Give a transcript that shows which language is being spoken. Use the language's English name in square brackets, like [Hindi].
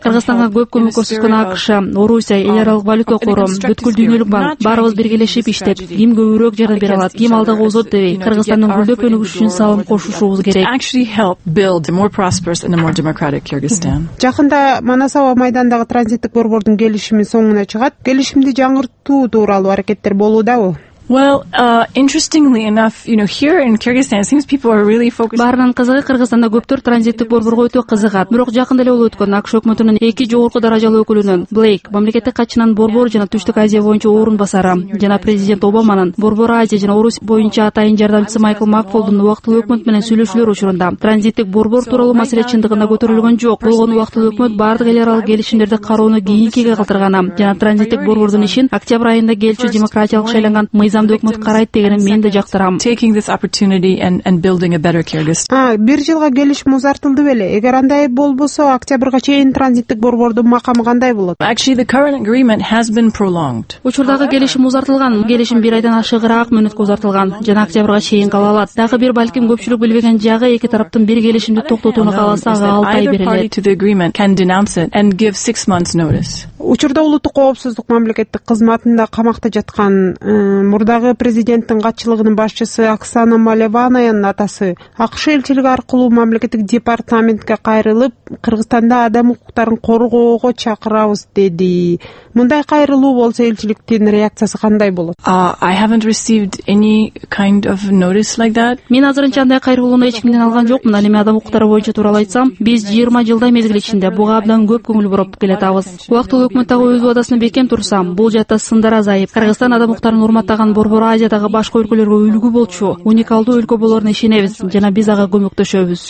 [Kyrgyz] Кыргызстанга көп көмөк көрсөткөн АКШ, Орусия, Эл Аралык Валюта Кору, бүткүл дүйнөлүк банк, баарыбыз биргелешип иштеп, ким көбүрөөк жардам бере алат, ким алдыга озот дебей, Кыргызстандын гүлдөп өнүгүшү үчүн салым кошушубуз керек. Жакында Манас аба майдандагы транзиттик борбордун келишими соңуна чыгат. Келишимди жаңыртуу тууралуу аракеттер болуудабы? [English] Interestingly enough, you know, here in Kyrgyzstan, it seems people are really focused. [Kyrgyz] Баарынан кызыгы, Кыргызстанда көптөр транзиттик борборго өтө кызыгат. Бирок жакында эле болуп өткөн АКШ өкмөтүнүн эки жогорку даражалуу өкүлүнүн, Блейк, мамлекеттик катчынын борбор жана Түштүк Азия боюнча орун басары жана президент Обаманын борбор Азия жана Орус боюнча атайын жардамчысы Майкл Макфолдун убактылуу өкмөт менен сүйлөшүүлөр учурунда транзиттик борбор тууралуу маселе чындыгында көтөрүлгөн жок. Болгону убактылуу өкмөт бардык эл аралык келишимдерди кароону кийинкиге калтырганы жана транзиттик борбордун ишин октябрь айында келчү демократиялык шайланган мыйзам өкмөт карайт дегенин мен да жактырам. [English] Taking this opportunity and building a better Kyrgyzstan. [Kyrgyz] Бир жылга келишим узартылды беле? Эгер андай болбосо, октябрга чейин транзиттик борбордун макамы кандай болот? [English] Actually, the current agreement has been prolonged. [Kyrgyz] Учурдагы келишим узартылган. Келишим бир айдан ашыгыраак мөнөткө узартылган жана октябрга чейин кала алат. Дагы бир балким көпчүлүк билбеген жагы, эки тараптын бир келишимди токтотууну кааласа, ага 6 ай берилет. [English] Either party to the agreement can denounce it and give 6 months notice. [Kyrgyz] Учурда улуттук коопсуздук мамлекеттик кызматында камакта жаткан мурдагы президенттин катчылыгынын башчысы Оксана Малеванаянын атасы АКШ элчилиги аркылуу мамлекеттик департаментке кайрылып, Кыргызстанда адам укуктарын коргоого чакырабыз деди. Мындай кайрылуу болсо элчиликтин реакциясы кандай болот? [English] I haven't received any kind of notice like that. [Kyrgyz] Мен азырынча андай кайрылууну эч кимден алган жокмун. Ал эми адам укуктары боюнча тууралуу айтсам, биз 20 жылдай мезгил ичинде буга абдан көп көңүл буруп келатабыз. Убактылуу өкмөттөгү өз убадасына бекем турсам, бул жаатта сындар азайып, Кыргызстан адам укуктарын урматтаган борбор Азиядагы башка өлкөлөргө үлгү болчу, уникалдуу өлкө болоруна ишенебиз жана биз ага көмөктөшөбүз.